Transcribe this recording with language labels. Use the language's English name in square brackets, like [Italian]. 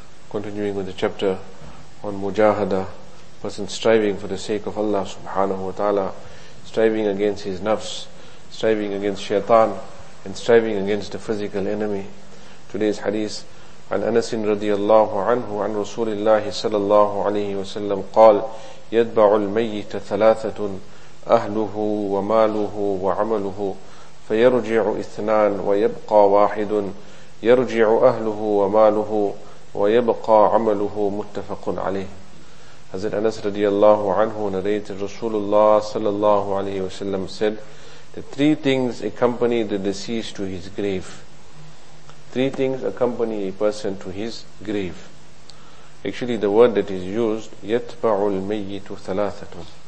[English] Continuing with the chapter on mujahada, person striving for the sake of Allah subhanahu wa ta'ala, striving against his nafs, striving against shaitan, and striving against the physical enemy. Today's hadith, [Arabic] عن أنس رضي الله عنه عن رسول الله صلى الله عليه وسلم قال يتبع الميت ثلاثة أهله وماله وعمله فيرجع اثنان ويبقى واحد يرجع أهله وماله ويبقى عمله متفق عليه. [English] حضرت أنس رضي الله عنه narrated رسول الله صلى الله عليه وسلم said the three things accompany the deceased to his grave. Three things accompany a person to his grave. Actually, the word that is used, [Arabic] يَتْبَعُ الْمَيِّتُ ثَلَاثَةٌ.